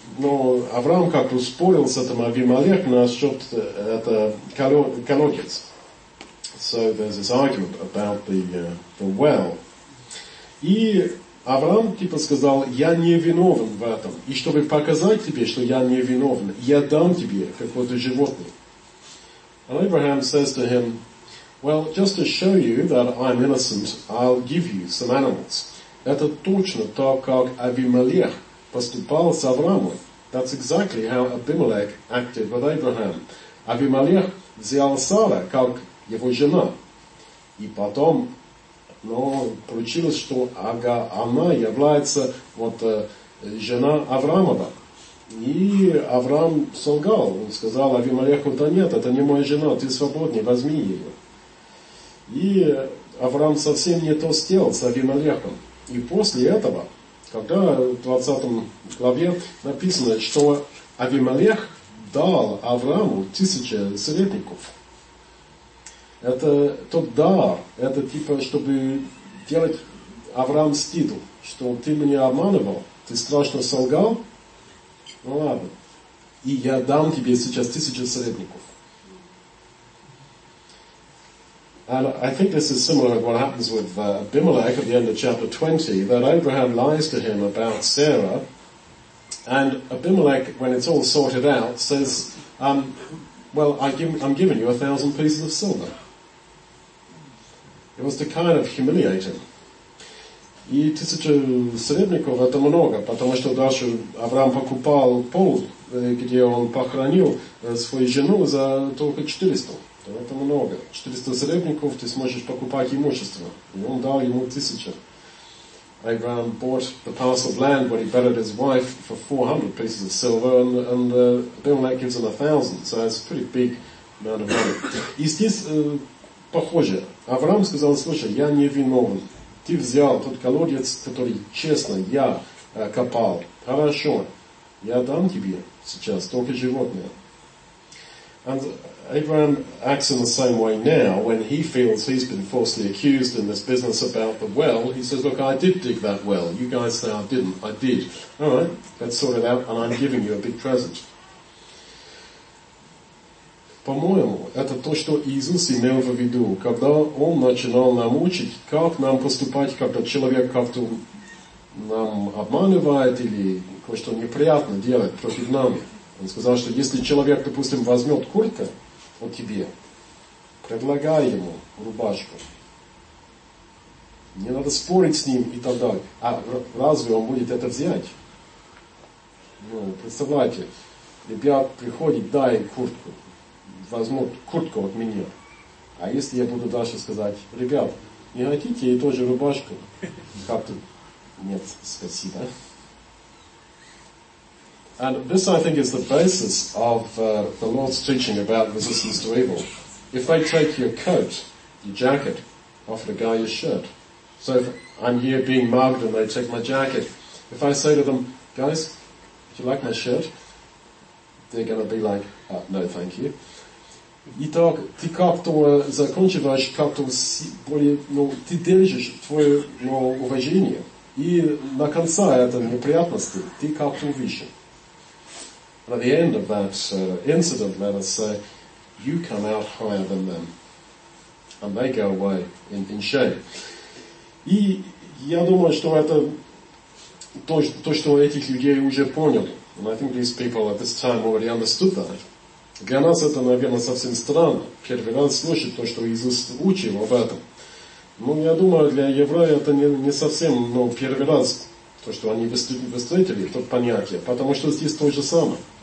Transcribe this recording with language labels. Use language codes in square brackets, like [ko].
[ru] Но Авраам как-то спорил с этим Авимелехом насчет этого колодец. [en] So there's this argument about the well. [ru] И Авраам типа сказал, я не виновен в этом. И чтобы показать тебе, что я не виновен, я дам тебе какое-то животное. [en] And Abraham says to him, well, just to show you that I'm innocent, I'll give you some animals. [ru] Это точно так, как Авимелех поступал с Авраамом. [en] That's exactly how Abimelech acted with Abraham. [ru] Авимелех взял Сара, как его жена. И потом, но получилось, что она является вот жена Авраамова. И Авраам солгал. Он сказал Авимелеху, да нет, это не моя жена, ты свободней, возьми ее. И Авраам совсем не то сделал с Авимелехом. И после этого, когда в 20 главе написано, что Авимелех дал Аврааму 1000 сребреников. Это тот дар, это типа, чтобы делать Авраам стыду, что ты меня обманывал, ты страшно солгал, ну ладно, и я дам тебе сейчас 1000 сребреников. [en] And I think this is similar to what happens with Abimelech at the end of chapter 20, that Abraham lies to him about Sarah, and Abimelech, when it's all sorted out, says, well, I'm giving you 1,000 pieces of silver. It was to kind of humiliate him. [ru] И 1000 сребреников — это много, потому что дальше Авраам покупал пол, где он похоронил свою жену, за только 400. Это много. 400 сребреников ты сможешь покупать имущество. И он дал ему 1000. [en] Abraham bought the parcel of land where he bedded his wife for 400 pieces of silver, and Abimelech gives him 1,000. So it's a pretty big amount of money. [ru] И здесь похоже. Авраам сказал, слушай, я не виновен. Ты взял тот колодец, который честно я копал. Хорошо, я дам тебе сейчас только животное. [en] And Abraham acts in the same way now when he feels he's been falsely accused in this business about the well. He says, look, I did dig that well. You guys say I didn't. I did. All right, let's sort it out, and I'm giving you a big present. [ru] По-моему, это то, что Иисус имел в виду, когда Он начинал нам учить, как нам поступать, когда человек как-то нам обманывает или кое-что неприятно делает против нами. Он сказал, что если человек, допустим, возьмет куртку у тебя, предлагай ему рубашку. Не надо спорить с ним и так далее. А разве он будет это взять? Ну, представляете, ребят приходит, дай куртку. Возьмут куртку от меня. А если я буду дальше сказать, ребят, не хотите и тоже рубашку? Как-то нет, спасибо. [en] And this, I think, is the basis of the Lord's teaching about resistance to evil. If they take your coat, your jacket, offer the guy your shirt. So if I'm here being mugged and they take my jacket, if I say to them, guys, do you like my shirt? They're going to be like, no, thank you. [ru] Итак, ты как-то закончиваешь, как-то более, ну, ты держишь твое, ну, уважение. И на конце этой неприятности ты как-то выше. [en] And at the end of that incident, let us say, you come out higher than them. And they go away in shame. [ru] И я думаю, что это то, что этих людей уже поняли. [en] And I think these people at this time already understood that. [ru] Для нас это, наверное, совсем странно. Первый раз слушать то, что Иисус учил об этом. Но я думаю, для евреев это не совсем, ну, первый раз, то, что они встретили это понятие. Потому что здесь то же самое.